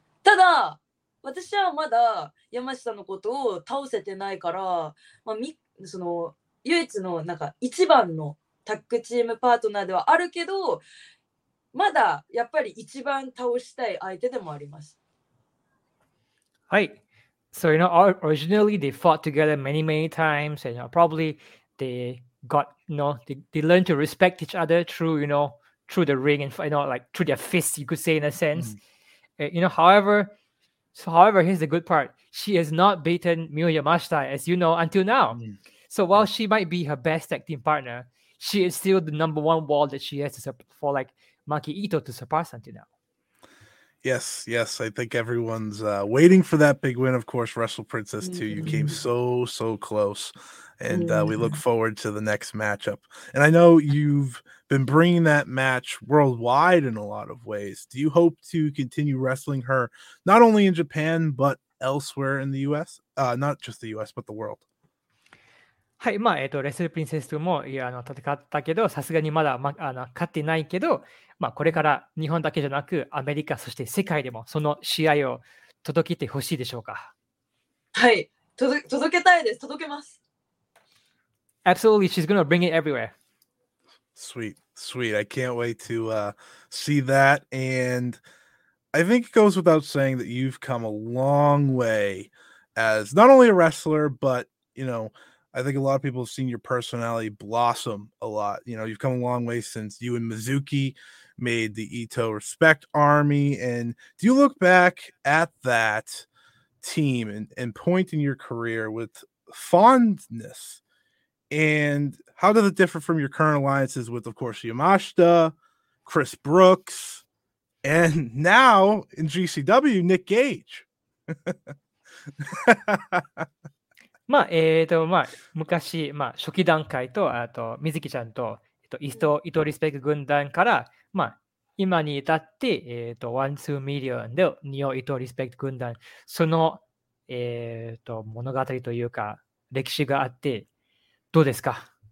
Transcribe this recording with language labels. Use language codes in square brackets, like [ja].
[ja] ただ私はまだ山下のことを倒せてないから、まあ、その唯一のなんか一番のタッグチームパートナーではあるけど、まだやっぱり一番倒したい相手でもあります。はい。 [en] So, you know, originally they fought together many, many times, and you know, probably they got, you know, they learned to respect each other through, you know, through the ring and, you know, like through their fists, you could say in a sense.、You know, however, here's the good part. She has not beaten Miyu Yamashita, as you know, until now.、So while she might be her best tag team partner, she is still the number one wall that she has to for like Maki Itoh to surpass until now. Yes, yes. I think everyone's waiting for that big win. Of course, Wrestle Princess 2. You came so, so close. And we look forward to the next matchup. And I know you've been bringing that match worldwide in a lot of ways. Do you hope to continue wrestling her not only in Japan, but elsewhere in the U.S.? Not just the U.S., but the world. [ja] はい、まあ、レッスルプリンセス2も戦ったけど、さすがにまだ、ま、勝ってないけど、まあ、これから日本だけじゃなく、アメリカ、そして世界でもその試合を届けてほしいでしょうか。はい、届けたいです。届けます。 [en] Absolutely, she's going to bring it everywhere. Sweet, sweet. I can't wait to see that. And I think it goes without saying that you've come a long way as not only a wrestler, but, you know,I think a lot of people have seen your personality blossom a lot. You know, you've come a long way since you and Mizuki made the Itoh Respect Army. And do you look back at that team and point in your career with fondness? And how does it differ from your current alliances with, of course, Yamashita, Chris Brooks, and now in GCW, Nick Gage? [ja] まあまあ、昔、まあ、初期段階と、あと、水木ちゃんと、イトリスペック軍団から、まあ、今に至って、ワン、ツー、ミリオンで、ニオ、イトリスペック軍団、その、物語というか、歴史があって、どうですか？